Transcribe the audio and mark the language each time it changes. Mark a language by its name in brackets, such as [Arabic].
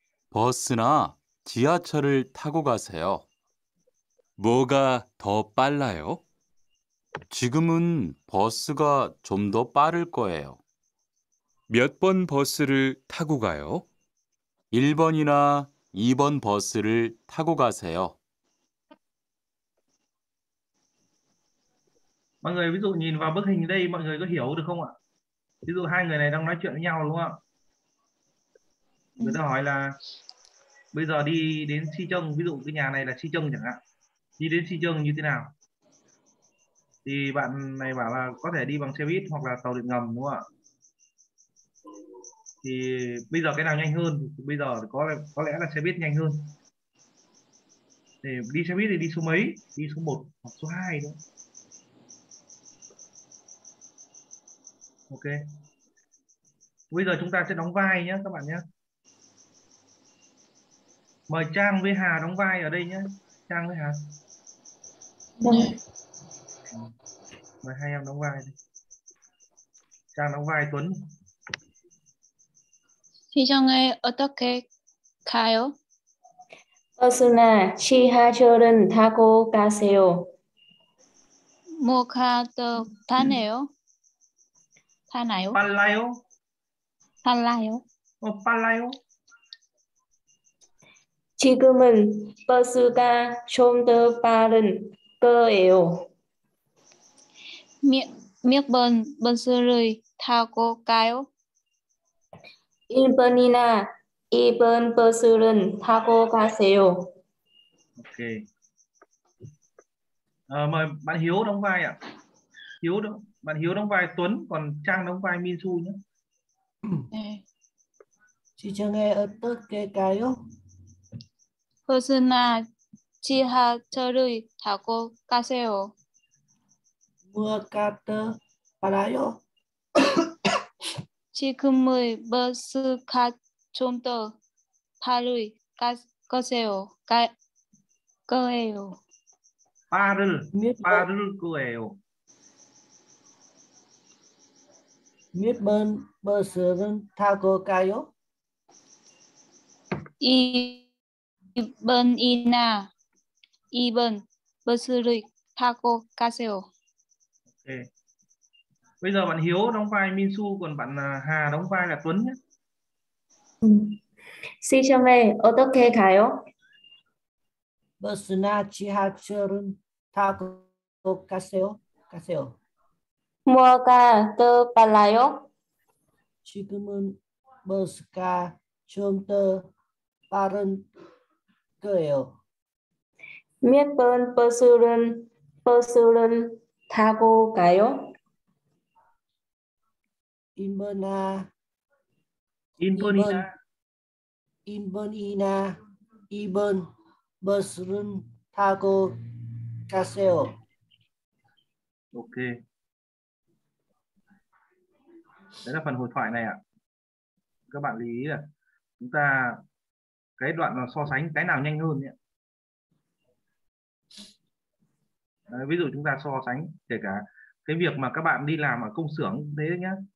[Korean] 버스나 지하철을 타고 가세요. 뭐가 더 빨라요? 지금은 버스가 좀 더 빠를 거예요. 몇 번 버스를 타고 가요? 1번이나 2번 버스를 타고 가세요. [Vietnamese] Mọi người ví dụ nhìn vào bức hình đây mọi người có hiểu được không ạ? Ví dụ hai người này đang nói chuyện với nhau đúng không ạ? Người ta hỏi là bây giờ đi đến Si Trông, ví dụ cái nhà này là Si Trông chẳng hạn. Đi đến Si Trông như thế nào? Thì bạn này bảo là có thể đi bằng xe buýt hoặc là tàu điện ngầm đúng không ạ? Thì bây giờ cái nào nhanh hơn? Bây giờ có lẽ là xe buýt nhanh hơn. Thì đi xe buýt thì đi số mấy? Đi số 1 hoặc số 2 thôi. Ok. Bây giờ chúng ta sẽ đóng vai nhé các bạn nhé. Mời Trang với Hà đóng vai ở đây nhé. Trang với Hà. Vâng. Mời hai em đóng vai đi. Trang đóng vai Tuấn. [Korean] Si Trông ơi, 어떻게 가요? 버스나 지하철은 타고 가세요. 뭐 가도 타네요. 타나요? 빨라요. 빨라요. 빨라요. 지금은 버스가 좀 더 빠른 거예요. 몇 번 버스를 타고 가요? 1번이나 2번 버스를 타고 가세요. 오케이. 뭐, 만 히오 đóng vai 아. [Vietnamese] 히오 đóng, 만 히오 đóng vai Tuấn, còn Trang đóng vai Minsu 네. [Korean] 지정에 어떻게 가요? 버스나 지하철을 타고 가세요. 뭐 가도 빨라요. 지금의 버스가 좀 더 빠를 거세요. 거예요. 빠를 거예요. 몇 번 버스는 타고 가요? 이 2번이나 2번 버스를 타고 가세요. 네. [Vietnamese] Bây giờ bạn Hiếu đóng vai Minsu, còn bạn Hà đóng vai là Tuấn nhé. [Korean] Si Trông ơi, 어떻게 가요? 버스나 지하철은 타고 가세요. 가세요. 뭐가 더 빨라요? 지금은 버스가 좀 더 빠른 거예요. 몇 번 버스를 타고 가요? 1번이나 2번 버스를 타고 가세요. 오케이. [Vietnamese] Đây là phần hội thoại này ạ. Các bạn lưu ý là chúng ta cái đoạn là so sánh cái nào nhanh hơn ấy. Đấy, ví dụ chúng ta so sánh kể cả cái việc mà các bạn đi làm ở công xưởng thế nhá.